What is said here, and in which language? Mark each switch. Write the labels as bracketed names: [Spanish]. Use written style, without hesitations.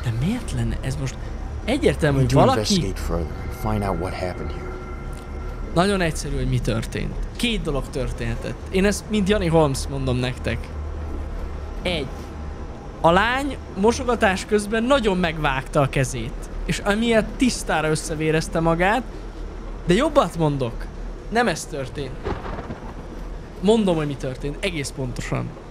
[Hungarian] De miért lenne ez most egyértelmű, hogy valaki... [English] Investigate further and find out what happened here. [Hungarian] Nagyon egyszerű, hogy mi történt. Két dolog történhetett. Én ezt mint Jani Holmes mondom nektek. Egy. A lány mosogatás közben nagyon megvágta a kezét. És amiatt tisztára összevérezte magát. De jobbat mondok. Nem ez történt. Mondom, hogy mi történt. Egész pontosan.